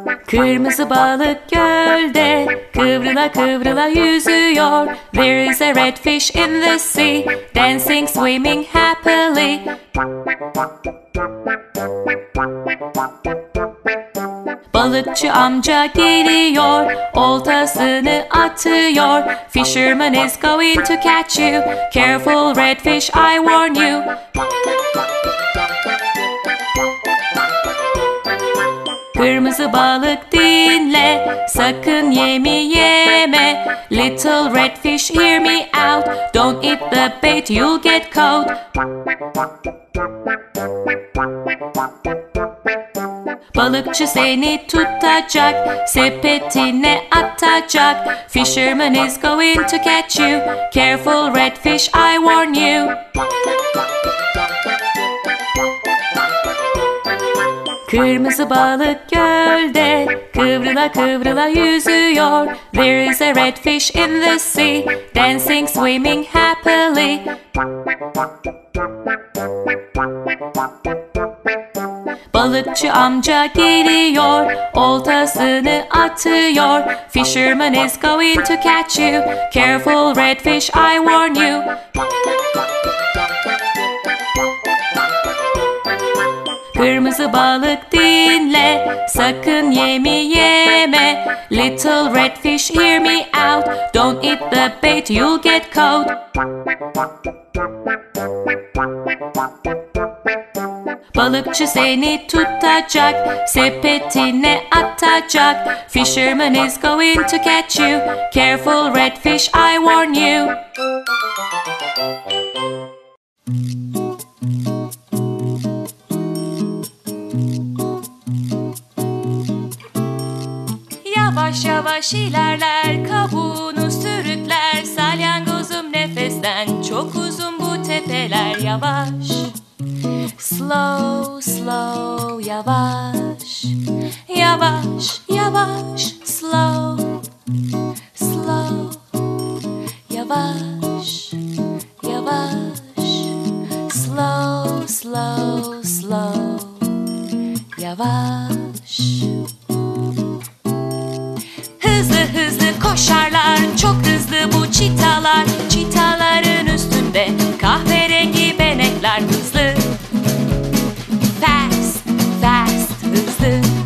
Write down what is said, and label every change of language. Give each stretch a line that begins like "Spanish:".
Turkish: Kırmızı balık gölde kıvrıla kıvrıla yüzüyor.
English: There is a red fish in the sea, dancing, swimming happily.
Turkish: Balıkçı amca geliyor, oltasını atıyor.
English: Fisherman is going to catch you, careful red fish, I warn you.
Turkish: Kırmızı balık dinle, sakın yemi yeme.
English: Little red fish, hear me out, don't eat the bait, you'll get caught.
Turkish: Balıkçı seni tutacak, sepetine atacak.
English: Fisherman is going to catch you, careful red fish, I warn you.
Turkish: Kırmızı balık gölde kıvrıla kıvrıla yüzüyor.
English: There is a red fish in the sea, dancing, swimming happily.
Turkish: Balıkçı amca geliyor, oltasını atıyor.
English: Fisherman is going to catch you, careful red fish, I warn you.
Turkish: Kırmızı balık dinle, sakın yemi yeme.
English: Little red fish, hear me out, don't eat the bait, you'll get caught.
Turkish: Balıkçı seni tutacak, sepetine atacak.
English: Fisherman is going to catch you, careful red fish, I warn you.
Turkish: Yavaş yavaş ilerler, kabuğunu sürükler. Salyangozum nefesten, çok uzun bu tepeler. Yavaş, slow, slow, yavaş. Yavaş, yavaş, slow, slow.
English: Yavaş, yavaş, slow, slow, slow.
Turkish: Yavaş. Hızlı hızlı koşarlar, çok hızlı bu çitalar. Çitaların üstünde kahverengi benekler. Hızlı, fast, fast, hızlı.